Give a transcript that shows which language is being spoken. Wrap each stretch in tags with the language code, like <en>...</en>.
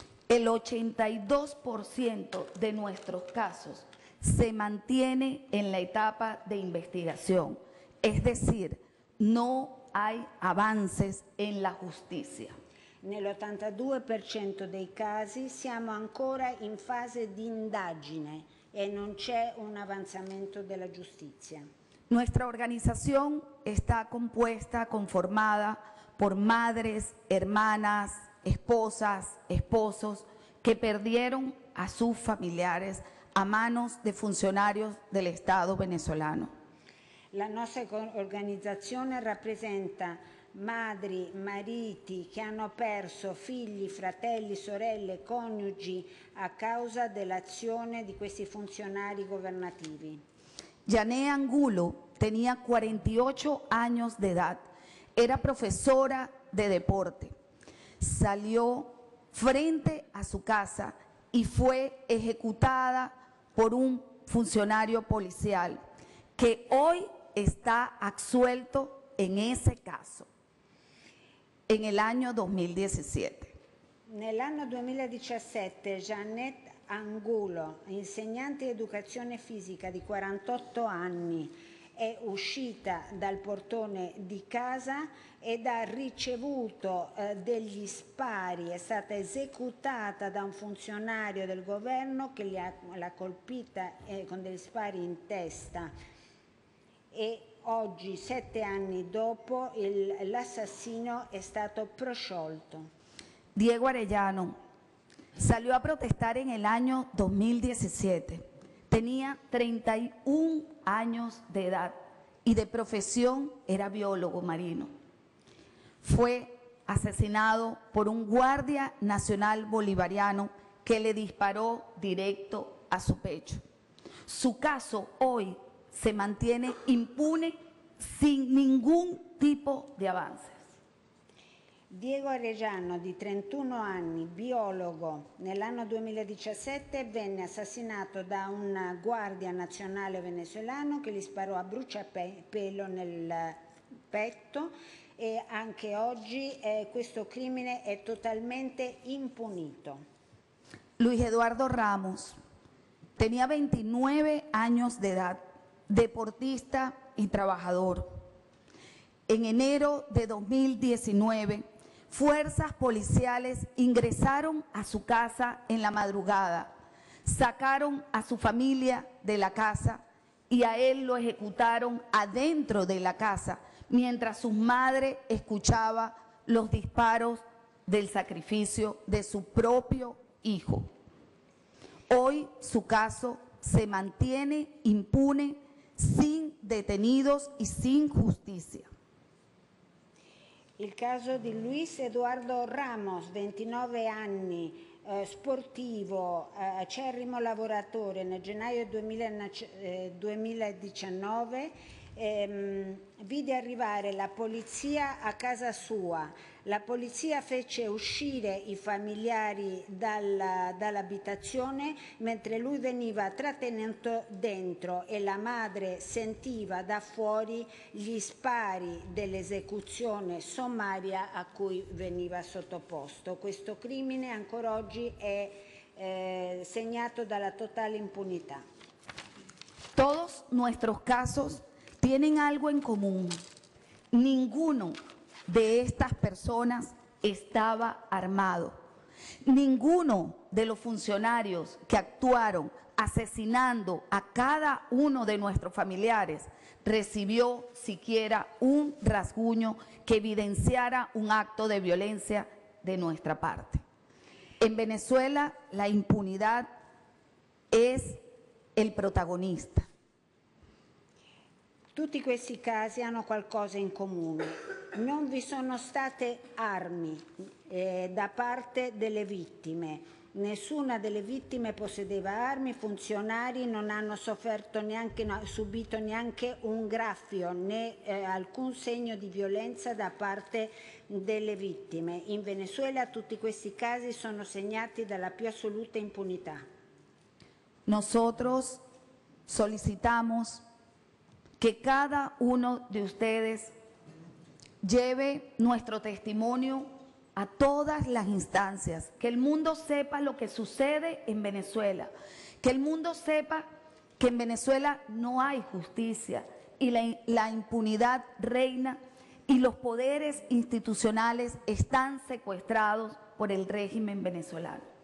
<es>El 82% de nuestros casos se mantiene en la etapa de investigación, es decir, no hay avances en la justicia.</es> <it>Nell'82% dei casi siamo ancora in fase di indagine e non c'è un avanzamento della giustizia.</it> <es>Nuestra organización está compuesta, conformada por madres, hermanas, esposas, esposos que perdieron a sus familiares a manos de funcionarios del Estado venezolano.</es> <it>La nostra organizzazione rappresenta madri, mariti che hanno perso figli, fratelli, sorelle, coniugi a causa dell'azione di questi funzionari governativi.</it> <es>Yané Angulo tenía 48 años de edad, era profesora de deporte. Salió frente a su casa y fue ejecutada por un funcionario policial que hoy está absuelto en ese caso. En el año 2017.</es> <it>Nell'anno 2017, Janet Angulo, insegnante di educazione fisica di 48 anni, è uscita dal portone di casa ed ha ricevuto degli spari, è stata esecutata da un funzionario del governo che l'ha colpita con degli spari in testa. E oggi, 7 anni dopo, l'assassino è stato prosciolto.</it> <es>Diego Arellano salió a protestar en el año 2017. Tenía 31 años de edad y de profesión era biólogo marino. Fue asesinado por un guardia nacional bolivariano que le disparó directo a su pecho. Su caso hoy se mantiene impune sin ningún tipo de avances.</es> <it>Diego Arellano, di 31 anni, biologo, nell'anno 2017 venne assassinato da un guardia nazionale venezuelano che gli sparò a bruciapelo nel petto e anche oggi questo crimine è totalmente impunito.</it> <es>Luis Eduardo Ramos tenía 29 años de edad, deportista y trabajador. En enero de 2019, fuerzas policiales ingresaron a su casa en la madrugada, sacaron a su familia de la casa y a él lo ejecutaron adentro de la casa, mientras su madre escuchaba los disparos del sacrificio de su propio hijo. Hoy su caso se mantiene impune, sin detenidos y sin justicia.</es> <it>Il caso di Luis Eduardo Ramos, 29 anni, sportivo, acerrimo lavoratore, nel gennaio 2019 vide arrivare la polizia a casa sua. La polizia fece uscire i familiari dall'abitazione mentre lui veniva trattenuto dentro e la madre sentiva da fuori gli spari dell'esecuzione sommaria a cui veniva sottoposto. Questo crimine ancora oggi è segnato dalla totale impunità.</it> <es>Todos nuestros casos tienen algo en común. Ninguno de estas personas estaba armado. Ninguno de los funcionarios que actuaron asesinando a cada uno de nuestros familiares recibió siquiera un rasguño que evidenciara un acto de violencia de nuestra parte. En Venezuela, la impunidad es el protagonista.</es> <it>Tutti questi casi hanno qualcosa in comune. Non vi sono state armi da parte delle vittime. Nessuna delle vittime possedeva armi, i funzionari non hanno sofferto neanche, subito neanche un graffio né alcun segno di violenza da parte delle vittime. In Venezuela tutti questi casi sono segnati dalla più assoluta impunità.</it> <es>Nosotros solicitamos que cada uno de ustedes lleve nuestro testimonio a todas las instancias, que el mundo sepa lo que sucede en Venezuela, que el mundo sepa que en Venezuela no hay justicia y la impunidad reina y los poderes institucionales están secuestrados por el régimen venezolano.</es>